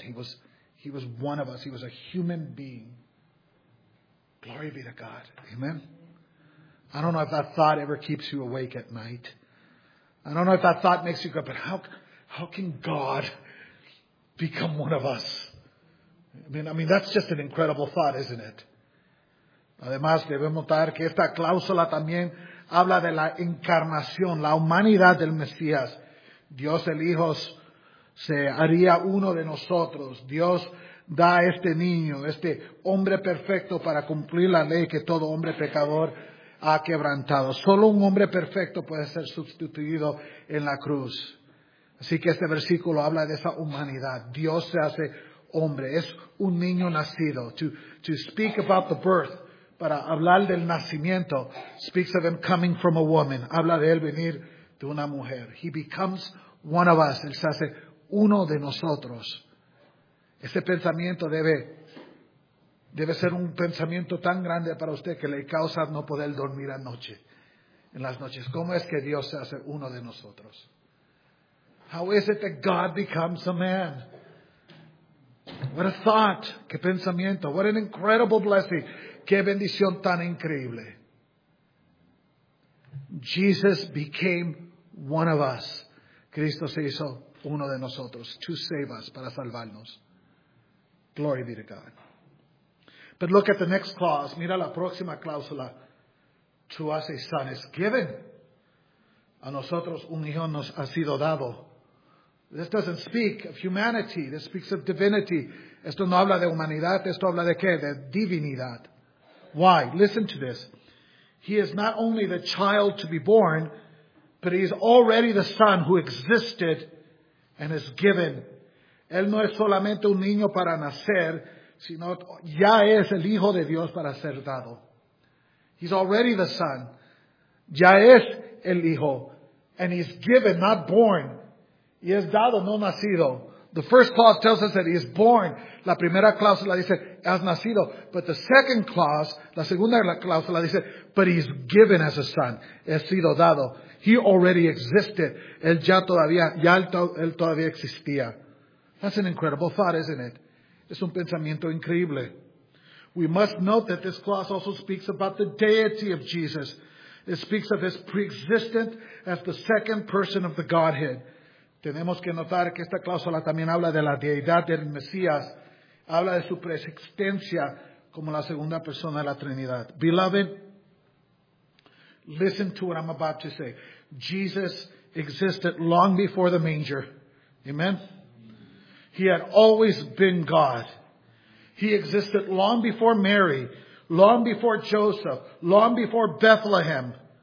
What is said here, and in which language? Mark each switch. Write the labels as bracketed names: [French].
[English] He was one of us. He was a human being. Glory be to God. Amen. I don't know if that thought ever keeps you awake at night. I don't know if that thought makes you go, but how can God become one of us? I mean, that's just an incredible thought, isn't it? [Spanish] Además, debemos notar que esta cláusula también habla de la encarnación, la humanidad del Mesías. Dios el Hijo se haría uno de nosotros. Dios da a este niño, este hombre perfecto para cumplir la ley que todo hombre pecador ha quebrantado. Solo un hombre perfecto puede ser sustituido en la cruz. Así que este versículo habla de esa humanidad. Dios se hace hombre. Es un niño nacido. [English] To speak about the birth. [Spanish] Para hablar del nacimiento, [English] speaks of him coming from a woman. [Spanish] Habla de él venir de una mujer. [English] He becomes one of us. [Spanish] Él se hace uno de nosotros. Ese pensamiento debe ser un pensamiento tan grande para usted que le causa no poder dormir anoche, en las noches. ¿Cómo es que Dios se hace uno de nosotros? [English] How is it that God becomes a man? What a thought. [Spanish] ¿Qué pensamiento? [English] What an incredible blessing. [Spanish] ¡Qué bendición tan increíble! [English] Jesus became one of us. [Spanish] Cristo se hizo uno de nosotros. [English] To save us, [Spanish] para salvarnos. [English] Glory be to God. But look at the next clause. [Spanish] Mira la próxima cláusula. [English] To us a son is given. [Spanish] A nosotros un hijo nos ha sido dado. [English] This doesn't speak of humanity. This speaks of divinity. [Spanish] Esto no habla de humanidad. Esto habla de qué? De divinidad. [English] Why? Listen to this. He is not only the child to be born, but he is already the son who existed and is given. [Spanish] Él no es solamente un niño para nacer, sino ya es el hijo de Dios para ser dado. [English] He's already the son. [Spanish] Ya es el hijo. [English] And he's given, not born. [Spanish] Y es dado, no nacido. [English] The first clause tells us that he is born. [Spanish] La primera cláusula dice, has nacido. [English] But the second clause, [Spanish] la segunda cláusula dice, [English] but he's given as a son. [Spanish] He sido dado. [English] He already existed. [Spanish] Él ya todavía, él todavía existía. [English] That's an incredible thought, isn't it? [Spanish] Es un pensamiento increíble. [English] We must note that this clause also speaks about the deity of Jesus. It speaks of his preexistence as the second person of the Godhead. [Spanish] Tenemos que notar que esta cláusula también habla de la deidad del Mesías. Habla de su preexistencia como la segunda persona de la Trinidad. [English] Beloved, listen to what I'm about to say. Jesus existed long before the manger. Amen? He had always been God. He existed long before Mary, long before Joseph, long before Bethlehem.